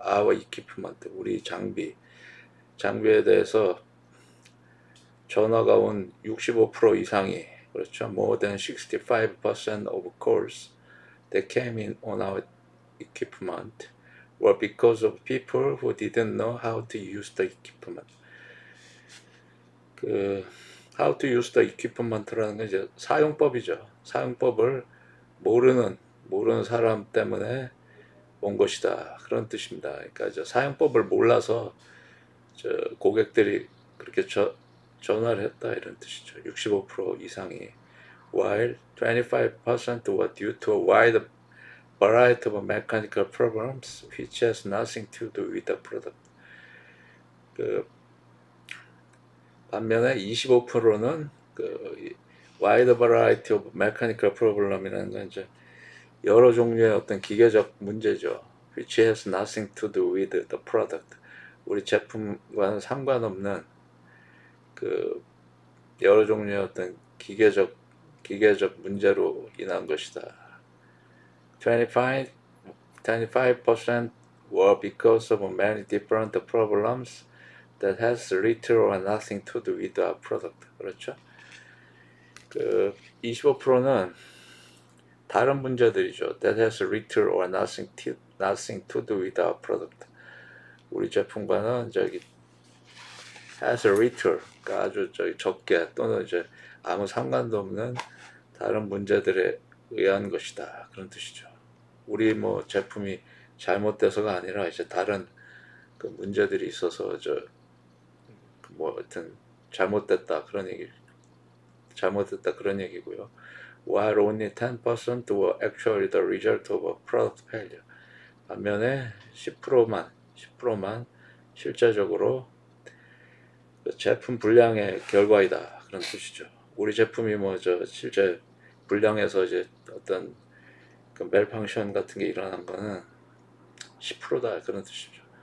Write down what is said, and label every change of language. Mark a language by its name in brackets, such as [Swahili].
[English] Our equipment, [Korean] 우리 장비에 대해서 전화가 온 65% 이상이, 그렇죠? [English] More than 65% of calls that came in on our equipment were because of people who didn't know how to use the equipment. How to use the equipment [Korean] 라는 건 이제 사용법이죠. 사용법을 모르는 사람 때문에 온 것이다. 그런 뜻입니다. 그러니까 이제 사용법을 몰라서 저 고객들이 그렇게 전화를 했다. 이런 뜻이죠. 65% 이상이. [English] While 25% were due to a wide variety of mechanical problems which has nothing to do with the product. [Korean] 반면에 25%는 그 [English] wide variety of mechanical problem [Korean] 이라는 건 이제 여러 종류의 어떤 기계적 문제죠. [English] Which has nothing to do with the product. [Korean] 우리 제품과는 상관없는 그 여러 종류의 어떤 기계적 문제로 인한 것이다. [English] 25% were because of many different problems that has little or nothing to do with our product. [Korean] 그렇죠? 그 25%는 다른 문제들이죠. [English] That has little or nothing to do with our product. [Korean] 우리 제품과는 저기 [English] has a little, [Korean] 아주 저기 적게 또는 이제 아무 상관도 없는 다른 문제들에 의한 것이다. 그런 뜻이죠. 우리 뭐 제품이 잘못돼서가 아니라 이제 다른 그 문제들이 있어서 저 뭐 하여튼 잘못됐다 그런 얘기고요. [English] While only 10% were actually the result of a product failure. [Korean] 반면에 10%만 실제적으로 제품 불량의 결과이다. 그런 뜻이죠. 우리 제품이 뭐 저 실제 물량에서 이제 어떤 그 멜팡션 같은 게 일어난 거는 10%다 그런 뜻이죠.